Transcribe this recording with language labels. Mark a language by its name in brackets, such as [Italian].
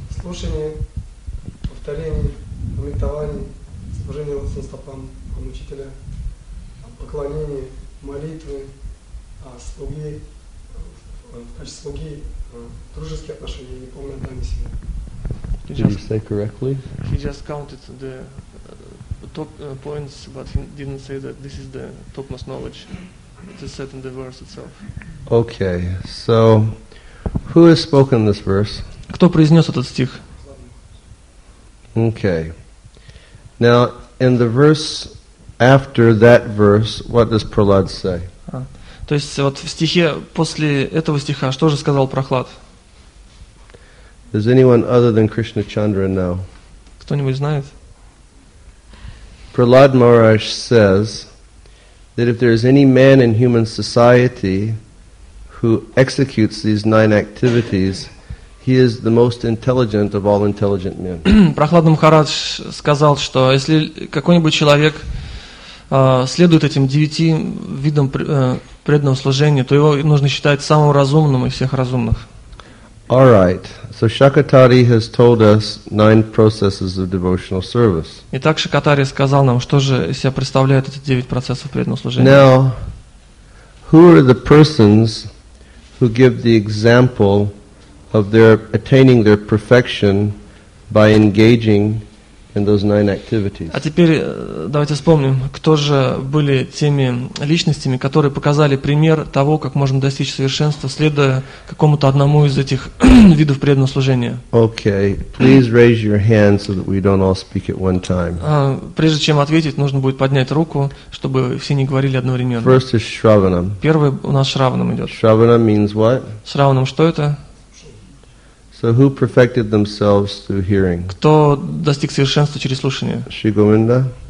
[Russian] Слушание, повторение, памятование, служение Санстапан, учителя, поклонение, молитвы, слуги, в качестве слуги, дружеские отношения, не помню, да, не сильно. [English] Did you say correctly? He just counted the top points, but he didn't say that this is the topmost knowledge. It's set in the verse itself. Okay, so who has spoken this verse? [Russian] Кто произнес этот стих? [English] Okay. Now, in the verse after that verse, what does Prahlad say? [Russian] То есть вот в стихе после этого стиха что же сказал Прохлад? [English] Does anyone other than Krishna Chandra know? [Russian] Кто-нибудь знает? [English] Prahlad Maharaj says that if there is any man in human society who executes these nine activities, he is the most intelligent of all intelligent men. [Russian] Прохлад Махарадж сказал, что если какой-нибудь человек следует этим девяти видам преданного служения, то его нужно считать самым разумным из всех разумных. [English] All right. So Shakatari has told us nine processes of devotional service. [Russian] Итак, Шакатари сказал нам, что же из себя представляют эти девять процессов преданного служения. [English] Now, who are the persons who give the example of their attaining their perfection by engaging in those nine activities? [Russian] А теперь давайте вспомним, кто же были теми личностями, которые показали пример того, как можно достичь совершенства, следуя какому-то одному из этих видов преданного служения. [English] Okay, please raise your hand so that we don't all speak at one time. [Russian] Прежде чем ответить, нужно будет поднять руку, чтобы все не говорили одновременно. [English] First is Shravanam. [Russian] Первый у нас Shravanam идет. [English] Shravanam means what? [Russian] Shravanam что это? [English] So who perfected themselves through hearing? [Russian] Кто достиг совершенства через слушание? Шри Говинда.